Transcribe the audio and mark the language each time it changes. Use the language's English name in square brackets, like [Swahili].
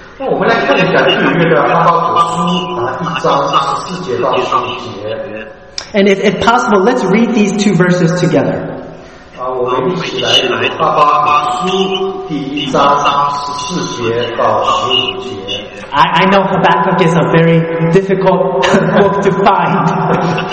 [Chinese] 我们来看一下旧约的哈巴谷书一章十四节到十五节。 [English] And if possible, let's read these two verses together. [Chinese] 我们一起来读哈巴谷书第一章十四节到十五节。 [English] I know Habakkuk is a very difficult book to find.